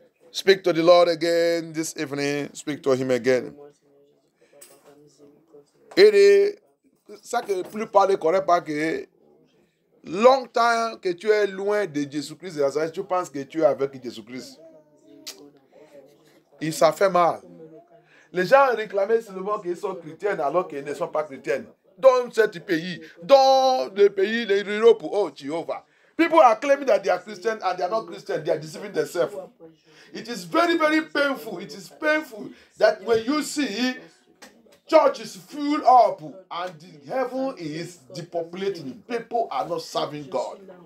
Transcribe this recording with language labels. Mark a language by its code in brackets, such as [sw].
[en] Speak to the Lord again this evening. Speak to him again. [fr] Et ça que la plupart ne connaissent pas, que longtemps que tu es loin de Jésus-Christ, tu penses que tu es avec Jésus-Christ. Et ça fait mal. Les gens réclamaient seulement qu'ils sont chrétiennes alors qu'ils ne sont pas chrétiennes. Dans cet pays, dans le pays de l'Europe, oh Jehovah. [en] People are claiming that they are Christian and they are not Christian. They are deceiving themselves. It is very, very painful. It is painful that when you see church is filled up and the heaven is depopulating, people are not serving God.